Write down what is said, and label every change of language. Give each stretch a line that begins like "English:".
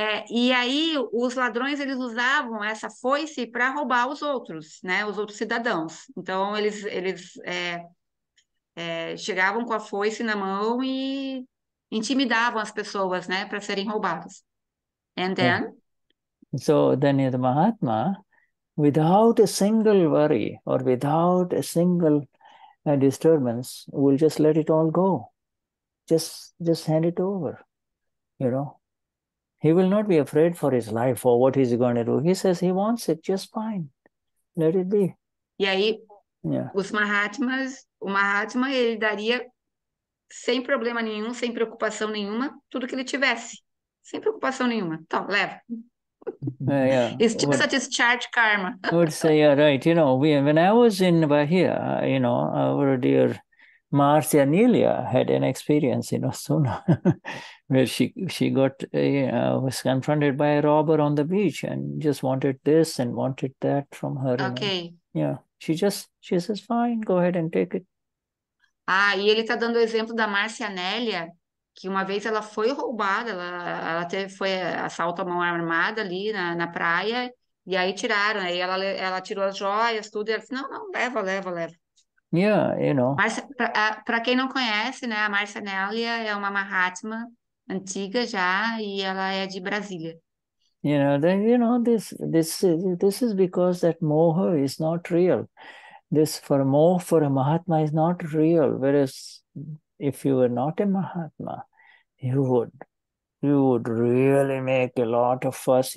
Portuguese: E aí os ladrões eles usavam essa foice para roubar os outros, né, os outros cidadãos. Então eles chegavam com a foice na mão e intimidavam as pessoas, né, para serem roubadas.
English: And then? Yeah. So then the Mahatma, without a single worry or without a single disturbance, will just let it all go. Just hand it over, you know. He will not be afraid for his life or what he's going to do. He says he wants it just fine. Let it be.
Portuguese: E aí, os Mahatmas, o Mahatma, ele daria... sem problema nenhum, sem preocupação nenhuma, tudo que ele tivesse. Sem preocupação nenhuma. Então, leva.
English: It's just a discharge karma. I would say, right. You know, when I was in Bahia, you know, our dear Marcia Nelia had an experience in Osuna, where she got was confronted by a robber on the beach and just wanted this and wanted that from her. Okay. And, yeah. She says, fine, go ahead and take it.
Portuguese: Ah, e ele está dando o exemplo da Márcia Nélia, que uma vez ela foi roubada, ela até foi assalto a mão armada ali na praia, e aí tiraram, aí ela tirou as joias, tudo, e ela disse, não, leva.
English: Yeah, you know.
Portuguese: Para quem não conhece, né, a Márcia Nélia é uma Mahatma antiga já, e ela é de Brasília.
English: You know, then, you know, this is because that moha is not real. This for a Mahatma is not real. Whereas if you were not a Mahatma, you would really make a lot of fuss.